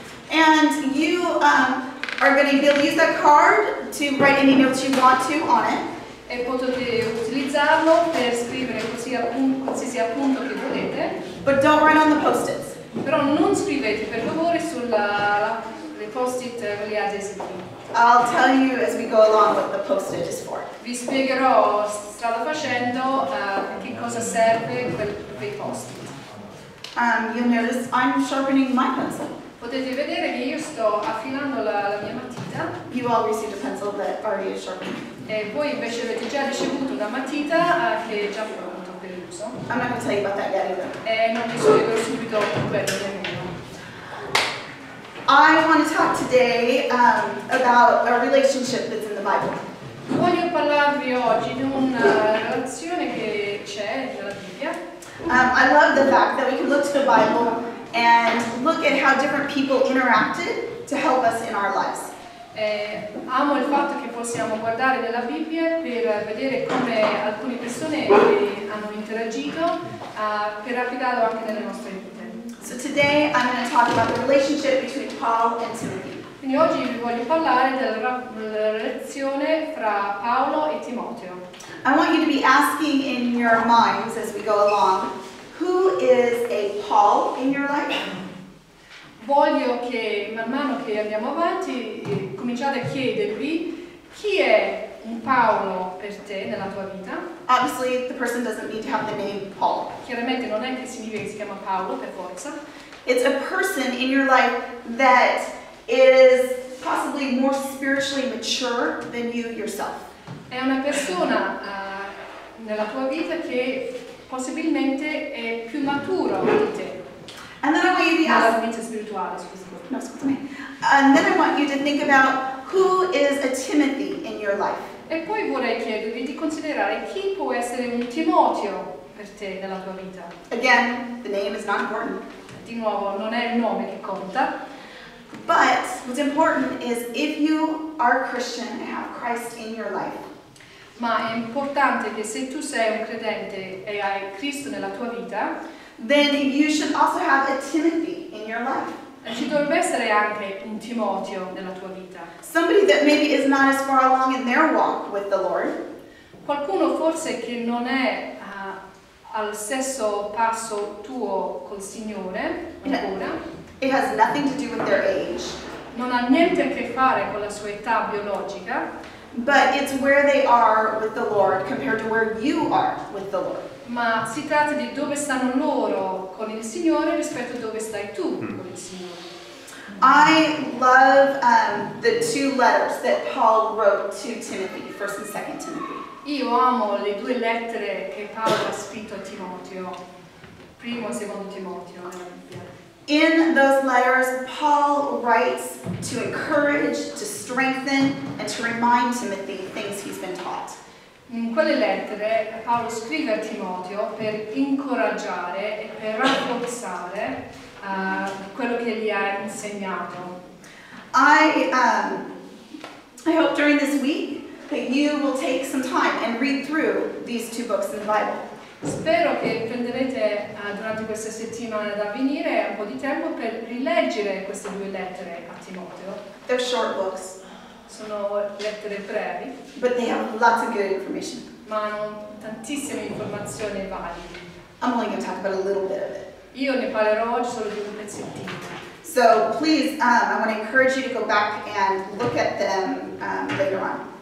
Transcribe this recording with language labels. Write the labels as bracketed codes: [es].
[en] And you are going to be able to use that card to write any notes you want to on it. [it] E potete utilizzarlo per scrivere qualsiasi appunto che volete. [en] But don't write on the post-its. [it] Però non scrivete per favore sulle post-it gli adesivi. [en] I'll tell you as we go along what the post-it is for. [it] Vi spiegherò strada facendo che cosa serve quei post-it. [en] You'll notice I'm sharpening my pencil. [it] Potete vedere che io sto affilando la mia matita. [en] You all received a pencil that already is sharpened. [it] E voi invece avete già ricevuto una matita che è già pronta per l'uso. [en] I'm not going to tell you about that yet either. [it] E non vi spiegherò subito quello che è. [en] I want to talk today about a relationship that's in the Bible. [it] Voglio parlarvi oggi di una relazione che c'è nella Bibbia. [en] I love the fact that we can look to the Bible and look at how different people interacted to help us in our lives. [it] Amo il fatto che possiamo guardare nella Bibbia per vedere come alcune persone hanno interagito per applicarlo anche nelle nostre vite. [en] So today I'm going to talk about the relationship between Paul and Timothy. [it] Quindi oggi vi voglio parlare della relazione fra Paolo e Timoteo. [en] I want you to be asking in your minds as we go along, who is a Paul in your life? [it] Voglio che man mano che andiamo avanti cominciate a chiedervi chi è un Paolo per te nella tua vita. [en] Obviously, the person doesn't need to have the name Paul. [it] Chiaramente non è che significa che si chiama Paolo per forza. [en] It's a person in your life that is possibly more spiritually mature than you yourself. [it] È una persona nella tua vita che possibilmente è più matura di te. [en] And then I want you to ask. [it] Vita spirituale, scusami. No, scusami. [en] And then I want you to think about who is a Timothy in your life. [it] E poi vorrei chiedervi di considerare chi può essere un Timoteo per te nella tua vita. [en] Again, the name is not important. [it] Di nuovo, non è il nome che conta. [en] But what's important is if you are Christian and have Christ in your life. [it] Ma è importante che se tu sei un credente e hai Cristo nella tua vita, [en] then you should also have a Timothy in your life. [it] Ci dovrebbe essere anche un Timoteo nella tua vita. [en] Somebody that maybe is not as far along in their walk with the Lord. [it] Qualcuno forse che non è al stesso passo tuo col Signore ancora. [en] It has nothing to do with their age. [it] Non ha niente a che fare con la sua età biologica. [en] But it's where they are with the Lord compared to where you are with the Lord. [it] Ma si tratta di dove stanno loro con il Signore rispetto a dove stai tu con il Signore. [en] I love the two letters that Paul wrote to Timothy, 1 and 2 Timothy. [it] Io amo le due lettere che Paolo ha scritto a Timoteo, primo e secondo Timoteo. [en] In those letters, Paul writes to encourage, to strengthen, and to remind Timothy things he's been taught. [it] In quelle lettere Paolo scrive a Timoteo per incoraggiare e per rafforzare quello che gli ha insegnato. [en] I hope during this week that you will take some time and read through these two books in the Bible. [it] Spero che prenderete durante questa settimana da venire un po' di tempo per rileggere queste due lettere a Timoteo. [en] They're short books. [it] Sono lettere brevi. [en] But they have lots of good information. [it] Ma hanno tantissime informazioni valide. [en] I'm only going to talk about a little bit of it. [it] Io ne parlerò oggi solo di un pezzettino. [en] So please, I want to encourage you to go back and look at them later on.